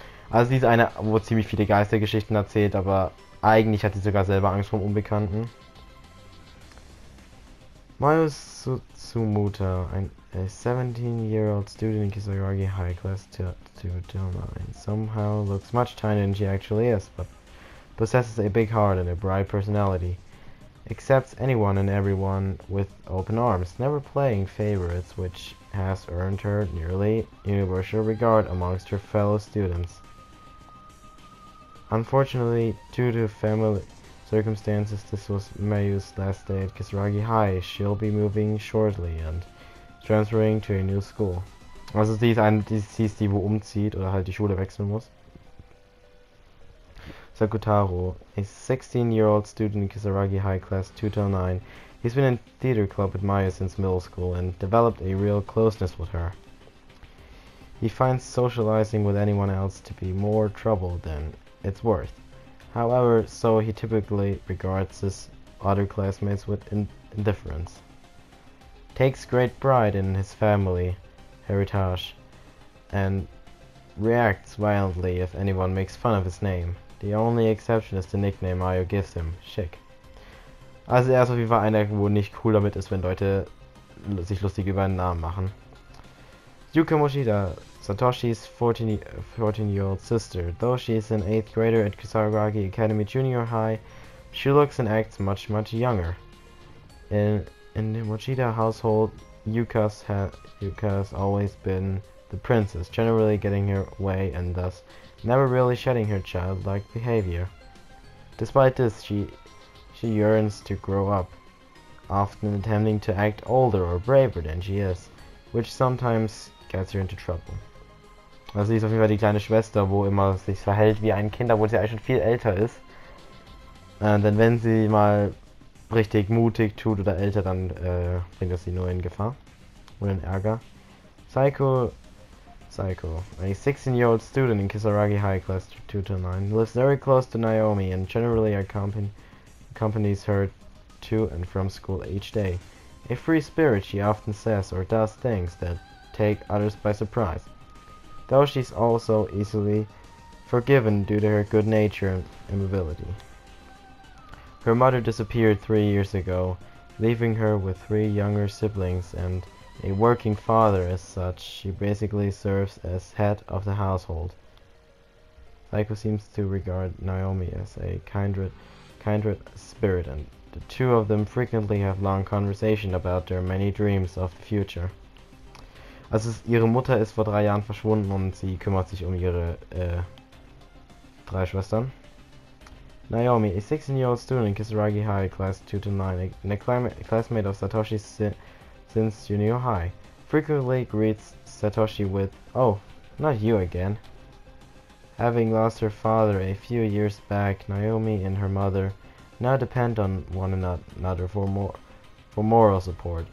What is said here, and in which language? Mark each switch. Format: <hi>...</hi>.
<de>Also sie ist eine, wo ziemlich viele Geistergeschichten erzählt, aber eigentlich hat sie sogar selber Angst vor dem Unbekannten.</de> <en>Mayu Tsumuta, a 17-year-old student in Kisaragi High Class Tsutomu, and somehow looks much tinier than she actually is, but possesses a big heart and a bright personality, accepts anyone and everyone with open arms, never playing favorites, which has earned her nearly universal regard amongst her fellow students. Unfortunately, due to family circumstances, this was Mayu's last day at Kisaragi High. She'll be moving shortly and transferring to a new school.</en> <de>Also sie ist eine, sie ist die, wo umzieht oder halt die Schule wechseln muss.</de> <en>Sakutaro, a 16-year-old student in Kisaragi High Class 2009. He's been in theater club with Maya since middle school and developed a real closeness with her. He finds socializing with anyone else to be more trouble than it's worth. However, so he typically regards his other classmates with indifference. Takes great pride in his family heritage and reacts violently if anyone makes fun of his name. The only exception is the nickname Mayu gives him, Schick.</en> <de>Also er ist auf jeden Fall einer, wo nicht cool damit ist, wenn Leute sich lustig über einen Namen machen.</de> <en>Yuka Mochida, Satoshis 14-year-old sister. Though she is an 8th grader at Kusaragi Academy Junior High, she looks and acts much, much younger. In the Mochida household, Yuka's always been the princess, generally getting her way and thus never really shedding her childlike behavior. Despite this, she yearns to grow up, often attempting to act older or braver than she is, which sometimes gets her into trouble.</en> <de>Also sie ist auf jeden Fall die kleine Schwester, wo immer sich verhält wie ein Kind, obwohl sie eigentlich schon viel älter ist. Denn wenn sie mal richtig mutig tut oder älter, dann bringt das sie nur in Gefahr oder in Ärger.</de> <en>Saiko, a 16-year-old student in Kisaragi High Class 2009, lives very close to Naomi and generally accompanies her to and from school each day. A free spirit, she often says or does things that take others by surprise. Though she's also easily forgiven due to her good nature and amiability. Her mother disappeared 3 years ago, leaving her with three younger siblings and a working father. As such, she basically serves as head of the household. Saiko seems to regard Naomi as a kindred spirit, and the two of them frequently have long conversations about their many dreams of the future.</en> <de>Also ihre Mutter ist vor 3 Jahren verschwunden und sie kümmert sich um ihre drei Schwestern.</de> <en>Naomi, a 16-year-old student in Kisaragi High Class 2-9, and a classmate of Satoshi's since junior high, frequently greets Satoshi with, "Oh, not you again." Having lost her father a few years back, Naomi and her mother now depend on one another for moral support.</en>